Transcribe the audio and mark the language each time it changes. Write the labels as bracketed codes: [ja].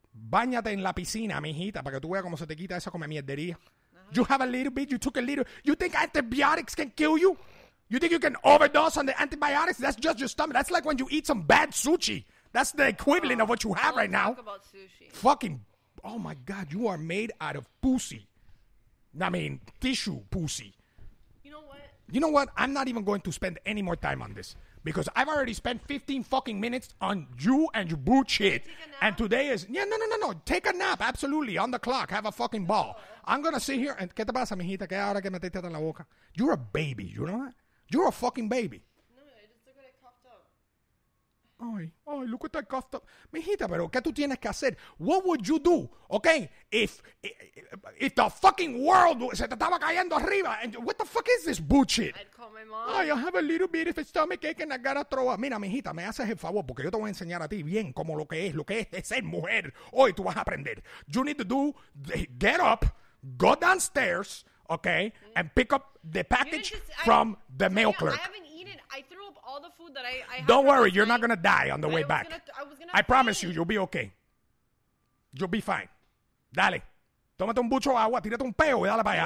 [es] Báñate en la piscina, mijita, para que tú veas cómo se te quita esa come mierdería. Uh-huh. [en] You have a little bit, you took a little. You think antibiotics can kill you? You think you can overdose on the antibiotics? That's just your stomach. That's like when you eat some bad sushi. That's the equivalent of what you have right now. Talk about sushi. Fucking, oh my God, you are made out of pussy. I mean, tissue pussy. You know what? I'm not even going to spend any more time on this. Because I've already spent 15 fucking minutes on you and your bullshit. And today is... No. Take a nap, absolutely. On the clock. Have a fucking ball. I'm going to sit here and... [es] ¿Qué te pasa, mijita? ¿Qué ahora que metiste en la boca? [en] You're a baby, you know that? You're a fucking baby. No, I just got it coughed up. Ay, look at that coughed up. [es] Mijita, pero ¿qué tú tienes que hacer? [en] What would you do, okay? If the fucking world [es] se te estaba cayendo arriba. [en] And what the fuck is this bullshit? Ay, I have a little bit of stomach ache and I gotta throw up. [es] Mira, mijita, me haces el favor porque yo te voy a enseñar a ti bien como lo que es ser mujer. Hoy tú vas a aprender. [en] You need to do, get up, go downstairs, okay, and pick up the package from the mail clerk. I haven't eaten. I threw up all the food that I had. Don't worry, you're not gonna die on the way back. I was gonna promise you, you'll be okay. You'll be fine. [es] Dale. Tómate un bucho de agua, tírate un peo y dale para allá.